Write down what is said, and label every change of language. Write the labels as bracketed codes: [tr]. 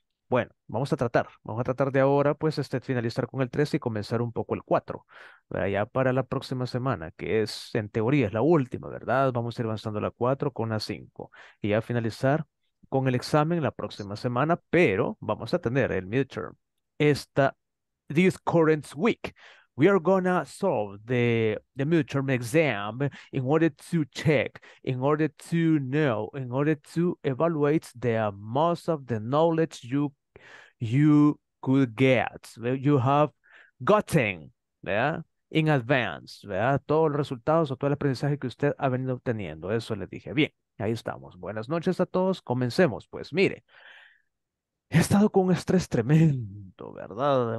[es] Bueno, vamos a tratar de ahora, pues, finalizar con el 3 y comenzar un poco el 4, ¿verdad? Ya para la próxima semana, que es, en teoría, es la última, ¿verdad? Vamos a ir avanzando la 4 con la 5 y ya finalizar con el examen la próxima semana, pero vamos a tener el midterm. [en] Esta, this current week. We are gonna solve the midterm exam in order to check, in order to know, in order to evaluate the most of the knowledge you could get, you have gotten, ¿verdad? In advance, ¿verdad? [es] Todos los resultados o todo el aprendizaje que usted ha venido obteniendo. Eso le dije. Bien, ahí estamos. Buenas noches a todos. Comencemos. Pues mire, he estado con un estrés tremendo, ¿verdad?